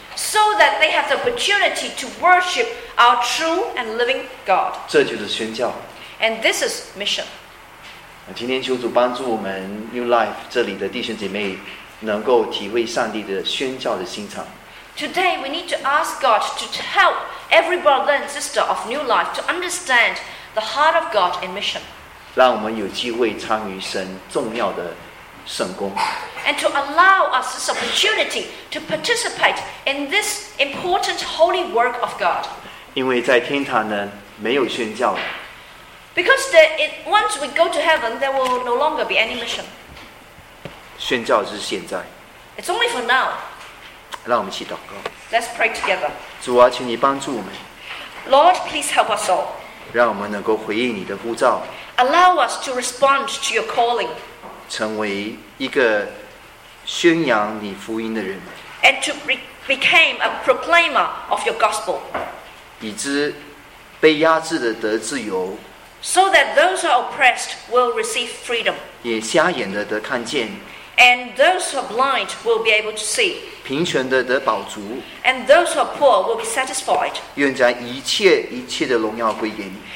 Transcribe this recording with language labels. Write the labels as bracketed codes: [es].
[en] so that they have the opportunity to worship our true and living God [zh] 这就是宣教 [en] and this is mission [zh] 今天求主帮助我们 New Life 这里的弟兄姐妹能够体会上帝的宣教的心肠 [en] Today, we need to ask God to help every brother and sister of New Life to understand the heart of God in mission. [zh] 让我们有机会参与神重要的圣工。 [en] And to allow us this opportunity to participate in this important holy work of God. [zh] 因为在天堂呢，没有宣教。 [en] Because the, it, once we go to heaven, there will no longer be any mission. [zh] 宣教是现在。 [en] It's only for now. [zh] 让我们一起祷告。 [en] Let's pray together. [zh] 主啊，请你帮助我们。 [en] Lord, please help us all. [zh] 让我们能够回应你的呼召。 [en] Allow us to respond to your calling. [zh] 成为一个宣扬你福音的人。 [en] And to become a proclaimer of your gospel. [zh] 以致被压制的得自由。 [en] So that those who are oppressed will receive freedom. [zh] 也瞎眼的得看见。 [en] And those who are blind will be able to see. [zh] 贫穷的得饱足。 [en] And those who are poor will be satisfied. [zh] 愿将一切一切的荣耀归给你。